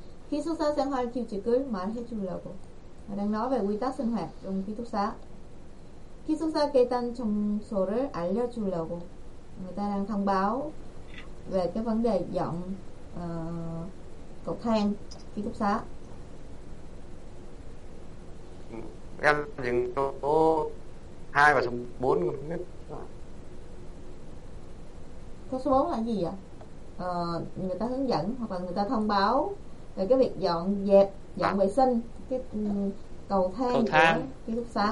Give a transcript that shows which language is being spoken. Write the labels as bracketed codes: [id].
[ko] 기숙사 생활 규칙을 말해주려고. [vi] Đang nói về quy tắc sinh hoạt trong ký túc xá. [ko] 기숙사 계단 청소를 알려주려고. [vi] Người ta đang thông báo về cái vấn đề dọn cầu thang ký túc xá. Em dừng số 2 và số 4 không biết. Câu số 4 là gì vậy? Người ta hướng dẫn hoặc là người ta thông báo về cái việc dọn dẹp, dọn vệ sinh cái cầu thang, ký túc xá.